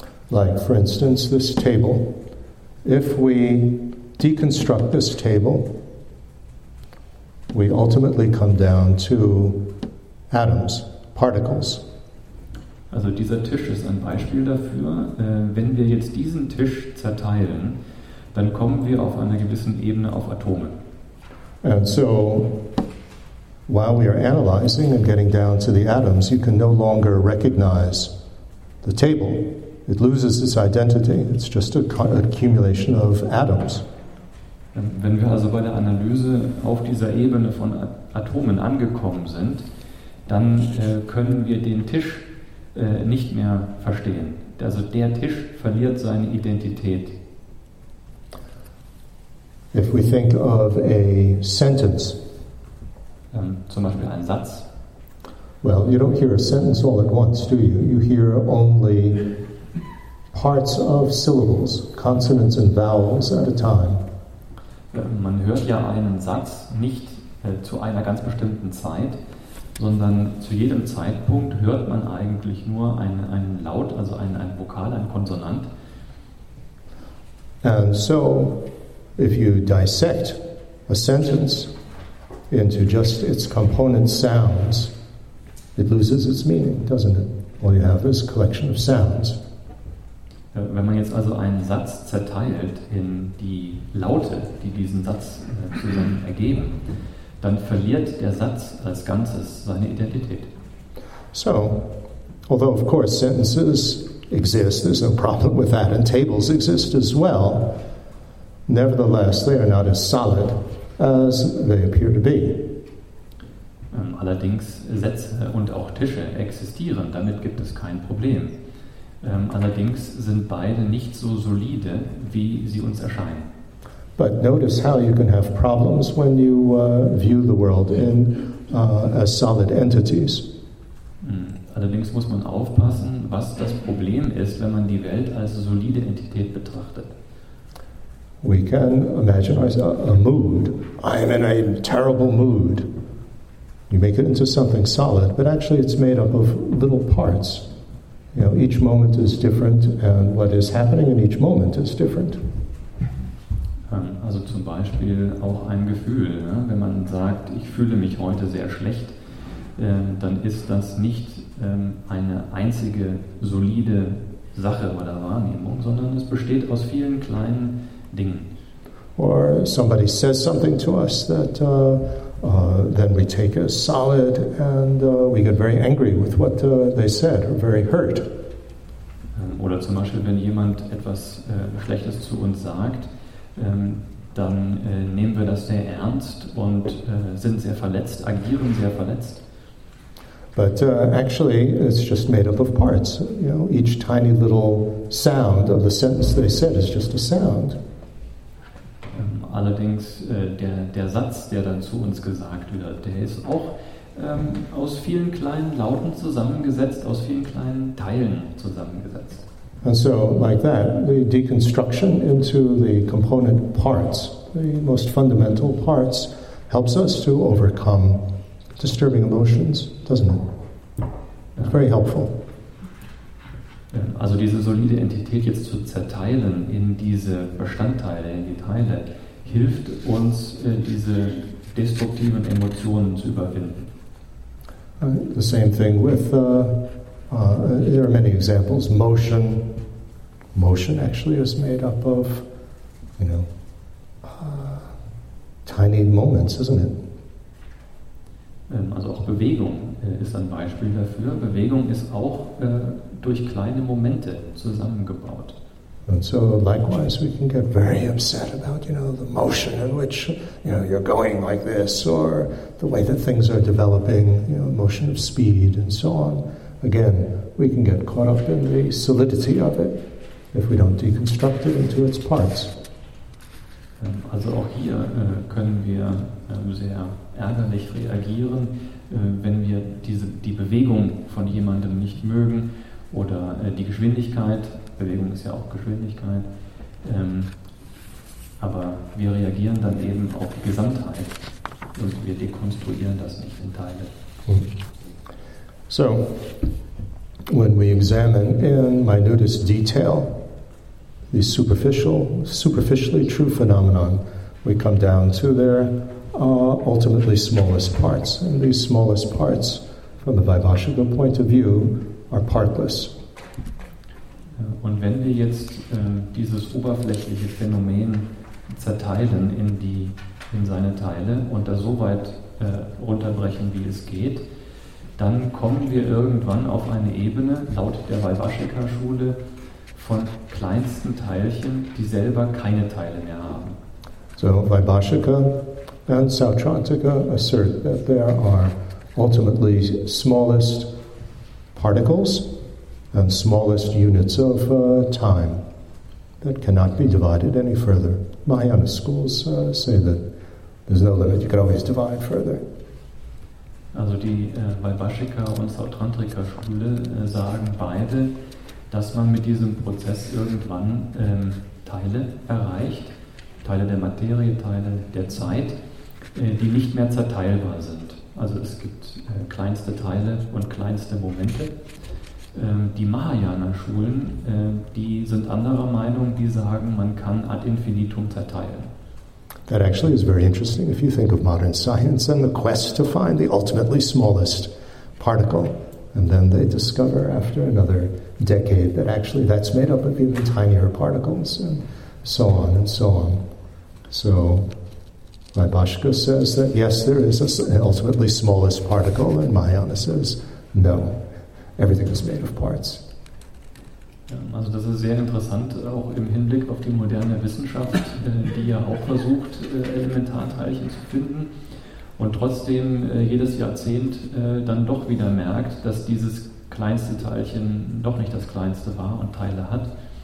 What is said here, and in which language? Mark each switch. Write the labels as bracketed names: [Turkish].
[English] Like, for instance, this table. If we deconstruct this table, we ultimately come down to atoms, particles. [German] Also dieser Tisch ist ein Beispiel dafür. Wenn wir jetzt diesen Tisch zerteilen, dann kommen wir auf einer gewissen Ebene auf Atome. [English] And so, while we are analyzing and getting down to the atoms, you can no longer recognize the table. It loses its identity. It's just an accumulation of atoms. [German] Wenn wir also bei der Analyse auf dieser Ebene von Atomen angekommen sind, dann können wir den Tisch nicht mehr verstehen. Also der Tisch verliert seine Identität [English] If we think of a sentence, [German] zum Beispiel ein Satz. [English] Well, you don't hear a sentence all at once, do you? You hear only parts of syllables, consonants and vowels at a time. [German] Man hört ja einen Satz nicht zu einer ganz bestimmten Zeit, sondern zu jedem Zeitpunkt hört man eigentlich nur einen Laut, also einen Vokal, einen Konsonant. [English] And so, if you dissect a sentence into just its component sounds, it loses its meaning, doesn't it? All you have is a collection of sounds. [German] Wenn man jetzt also einen Satz zerteilt in die Laute, die diesen Satz zusammen ergeben, dann verliert der Satz als Ganzes seine Identität. [English] So, although of course sentences exist, there's no problem with that, and tables exist as well, nevertheless, they are not as solid as they appear to be. [German] Allerdings Sätze und auch Tische existieren, damit gibt es kein Problem. Allerdings sind beide nicht so solide, wie sie uns erscheinen. [English] But notice how you can have problems when you view the world in as solid entities. [German] Allerdings muss man aufpassen, was das Problem ist, wenn man die Welt als solide Entität betrachtet. [English] We can imagine a mood. I'm in a terrible mood. You make it into something solid, but actually it's made up of little parts. You know, each moment is different, and what is happening in each moment is different. [German] Also zum Beispiel auch ein Gefühl. Ne? Wenn man sagt, ich fühle mich heute sehr schlecht, dann ist das nicht eine einzige solide Sache oder Wahrnehmung, sondern es besteht aus vielen kleinen Dingen. [English] Or somebody says something to us that then we take as solid, and we get very angry with what they said, or very hurt. [German] Oder zum Beispiel, wenn jemand etwas Schlechtes zu uns sagt, dann nehmen wir das sehr ernst und sind sehr verletzt, agieren sehr verletzt. [English] But actually, it's just made up of parts. You know, each tiny little sound of the sentence they said is just a sound. [German] Allerdings der Satz, der dann zu uns gesagt wird, der ist auch aus vielen kleinen Lauten zusammengesetzt, aus vielen kleinen Teilen zusammengesetzt. [English] And so, like that, the deconstruction into the component parts, the most fundamental parts, helps us to overcome disturbing emotions, doesn't it? It's very helpful. [German] Also diese solide Entität jetzt zu zerteilen in diese Bestandteile, in die Teile, hilft uns, diese destruktiven Emotionen zu überwinden. [English] The same thing with, there are many examples, motion. Motion actually is made up of, you know, tiny moments, isn't it? [German] Also auch Bewegung ist ein Beispiel dafür. Bewegung ist auch durch kleine Momente zusammengebaut. [English] And so, likewise, we can get very upset about, you know, the motion in which, you know, you're going like this, or the way that things are developing, you know, motion of speed and so on. Again, we can get caught up in the solidity of it if we don't deconstruct it into its parts. [German] Also auch hier können wir sehr ärgerlich reagieren, wenn wir die Bewegung von jemandem nicht mögen oder die Geschwindigkeit. Bewegung ist ja auch Geschwindigkeit. Aber wir reagieren dann eben auf die Gesamtheit und wir dekonstruieren das nicht in Teile. [English] So, when we examine in minutest detail the superficially true phenomenon, we come down to their ultimately smallest parts. And these smallest parts, from the Vaibhashika point of view, are partless. [German] Und wenn wir jetzt dieses oberflächliche Phänomen zerteilen in seine Teile und das so weit runterbrechen, wie es geht, dann kommen wir irgendwann auf eine Ebene, laut der Vaibhashika-Schule, von kleinsten Teilchen, die selber keine Teile mehr haben. [English] So Vaibhashika and Sautrantika assert that there are ultimately smallest particles and smallest units of time. that cannot be divided any further. Mahayana schools say that there's no limit, you can always divide further. [German] Also die Vaibhashika und Sautrantrika Schule sagen beide, dass man mit diesem Prozess irgendwann Teile erreicht, Teile der Materie, Teile der Zeit, die nicht mehr zerteilbar sind. Also es gibt kleinste Teile und kleinste Momente. Die Mahayana-Schulen, die sind anderer Meinung, die sagen, man kann ad infinitum zerteilen. [English] That actually is very interesting. If you think of modern science and the quest to find the ultimately smallest particle, and then they discover after another decade that actually that's made up of even tinier particles, and so on and so on. So Vaibhashika says that yes, there is an ultimately smallest particle, and Mahayana says no, everything is made of parts. [German] Also das ist sehr interessant, auch im Hinblick auf die moderne Wissenschaft, die ja auch versucht, Elementarteilchen zu finden und trotzdem jedes Jahrzehnt dann doch wieder merkt, dass dieses kleinste Teilchen doch nicht das kleinste war und Teile hat.